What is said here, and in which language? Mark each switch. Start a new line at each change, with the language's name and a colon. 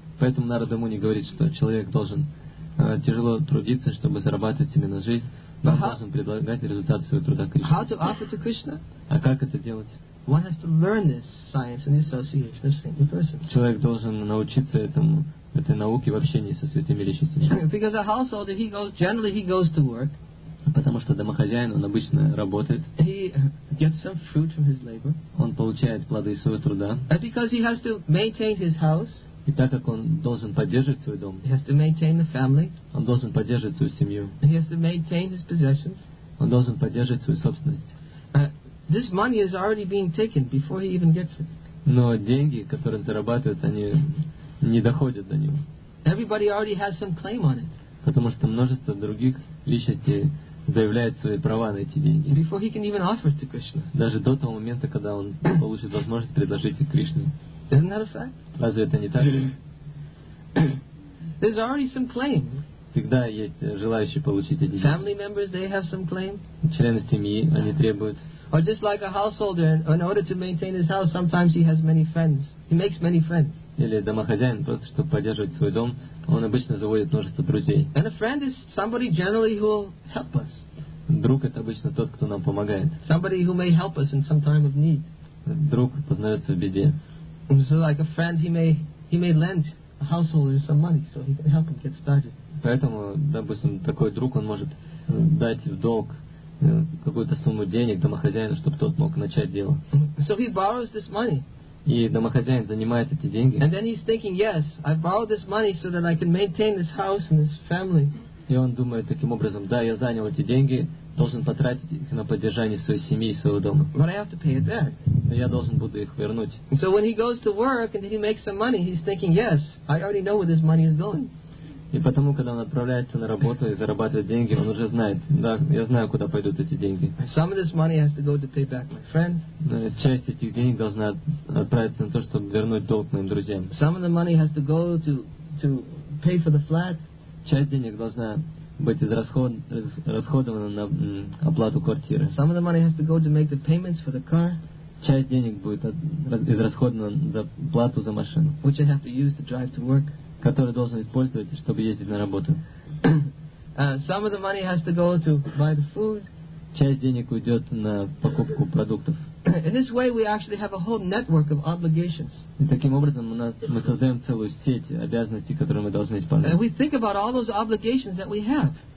Russian: Поэтому Нарада Муни говорит, что человек должен тяжело трудиться, чтобы зарабатывать себе на жизнь, но он должен предлагать результат своего труда Кришне.
English: How to offer to Krishna?
Russian: А как это делать?
English: One has to learn this science in the association of saintly persons.
Russian: Человек должен научиться этому, этой науке в общении со святыми личностями.
English: Because a householder, he goes, generally he goes to work.
Russian: Потому что домохозяин, он обычно работает.
English: He gets some fruit from his labor.
Russian: Он получает плоды своего труда.
English: And because he has to maintain his house.
Russian: И так как он должен поддерживать свой дом,
English: he has to maintain the family,
Russian: он должен поддерживать свою семью,
English: he has to maintain his possessions,
Russian: он должен поддерживать свою собственность. Но деньги, которые он зарабатывает, они не доходят до него.
English: Everybody already has some claim on it.
Russian: Потому что множество других личностей заявляет свои права на эти деньги.
English: Before he can even offer to Krishna.
Russian: Даже до того момента, когда он получит возможность предложить их Кришне.
English: Isn't that a fact?
Russian: Разве это не так?
English: There's already some claim.
Russian: Всегда есть желающие получить эти.
English: Family members, they have some claim.
Russian: Члены семьи, они требуют.
English: Or just like a householder, in order to maintain his house, sometimes he has many friends. He makes many friends.
Russian: Или домохозяин, просто чтобы поддерживать свой дом, он обычно заводит множество друзей.
English: And a friend is somebody generally who will help us.
Russian: Друг это обычно тот, кто нам помогает.
English: Somebody who may help us in some time of need.
Russian: Друг познается в беде.
English: So like a friend, he may lend a householder some money so he can help him get started.
Russian: Поэтому, допустим, такой друг, он может дать в долг какую-то сумму денег домохозяину, чтобы тот мог начать дело.
English: So he borrows this money.
Russian: И домохозяин занимает эти деньги.
English: And then he's thinking, yes, I borrowed this money so that I can maintain this house and this family.
Russian: И он думает таким образом, да, я занял эти деньги, должен потратить их на поддержание своей семьи и своего дома.
English: But I have to pay it back.
Russian: Но я должен буду их вернуть.
English: So when he goes to work and he makes some money, he's thinking, yes, I already know where this money is going.
Russian: И потому, когда он отправляется на работу и зарабатывает деньги, он уже знает, да, я знаю, куда пойдут эти деньги.
English: Some of this money has to go to pay back my friends.
Russian: Часть этих денег должна отправиться на то, чтобы вернуть долг моим друзьям.
English: Some of the money has to go to pay for the flat.
Russian: Часть денег должна быть расходована на оплату квартиры.
English: Some of the money has to go to make the payments for the car.
Russian: Часть денег будет израсходована за плату за машину.
English: Which I have to use to drive to work.
Russian: Который должен использовать, чтобы ездить на работу.
English: Some of the money has to go to buy the food.
Russian: Часть денег уйдет на покупку продуктов.
English: In this way, we actually have a whole network of obligations.
Russian: И таким образом мы создаем целую сеть обязанностей, которые мы должны исполнять.
English: And we think about all those obligations that we have.